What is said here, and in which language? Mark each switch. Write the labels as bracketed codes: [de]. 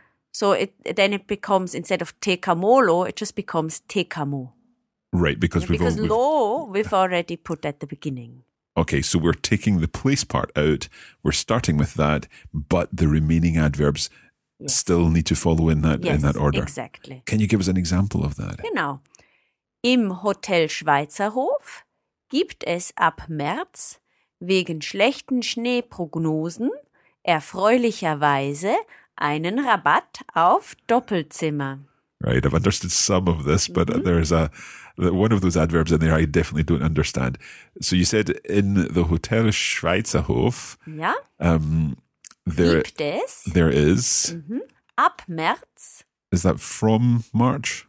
[en] So it then it becomes instead of tecca molo, it just becomes tecca mo. Right, because yeah, we've because all, we've already put at the beginning. Okay, so we're taking the place part out. We're starting with that, but the remaining adverbs yes. still need to follow in that yes, in that order. Exactly. Can you give us an example of that? [de] Genau. Im Hotel Schweizerhof gibt es ab März wegen schlechten Schneeprognosen erfreulicherweise einen Rabatt auf Doppelzimmer. [en] Right, I've understood some of this, but mm-hmm. there is a one of those adverbs in there I definitely don't understand. So you said in the Hotel Schweizerhof. [de] Ja. Gibt es. [en] There is. [de] Mm-hmm. Ab März. [en] Is that from March